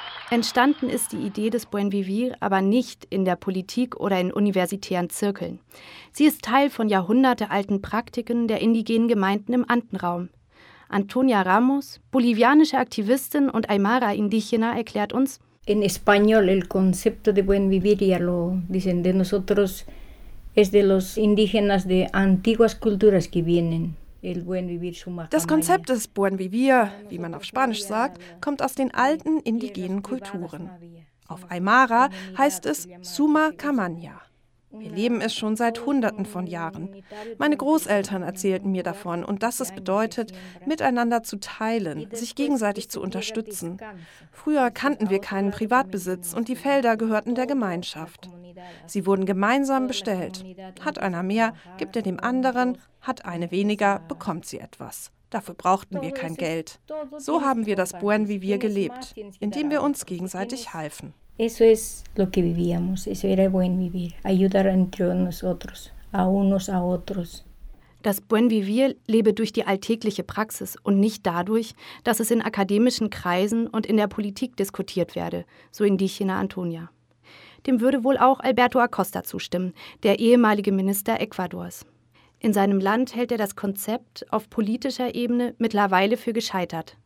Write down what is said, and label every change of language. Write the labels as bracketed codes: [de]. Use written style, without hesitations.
[de] Entstanden ist die Idee des Buen Vivir aber nicht in der Politik oder in universitären Zirkeln. Sie ist Teil von jahrhundertealten Praktiken der indigenen Gemeinden im Andenraum. Antonia Ramos, bolivianische Aktivistin und Aymara Indígena, erklärt uns. [es] En español el concepto de buen vivir ya lo dicen de nosotros es de los indígenas de antiguas culturas que vienen. [de] Das Konzept des Buen Vivir, wie man auf Spanisch sagt, kommt aus den alten indigenen Kulturen. Auf Aymara heißt es Suma Camaña. Wir leben es schon seit Hunderten von Jahren. Meine Großeltern erzählten mir davon und dass es bedeutet, miteinander zu teilen, sich gegenseitig zu unterstützen. Früher kannten wir keinen Privatbesitz und die Felder gehörten der Gemeinschaft. Sie wurden gemeinsam bestellt. Hat einer mehr, gibt er dem anderen, hat eine weniger, bekommt sie etwas. Dafür brauchten wir kein Geld. So haben wir das Buen Vivir gelebt, indem wir uns gegenseitig halfen. [es] Eso es lo que vivíamos, eso era buen vivir, ayudar entre nosotros, a unos a otros. [de] Das Buen Vivir lebe durch die alltägliche Praxis und nicht dadurch, dass es in akademischen Kreisen und in der Politik diskutiert werde, so Indígena Antonia. Dem würde wohl auch Alberto Acosta zustimmen, der ehemalige Minister Ecuadors. In seinem Land hält er das Konzept auf politischer Ebene mittlerweile für gescheitert.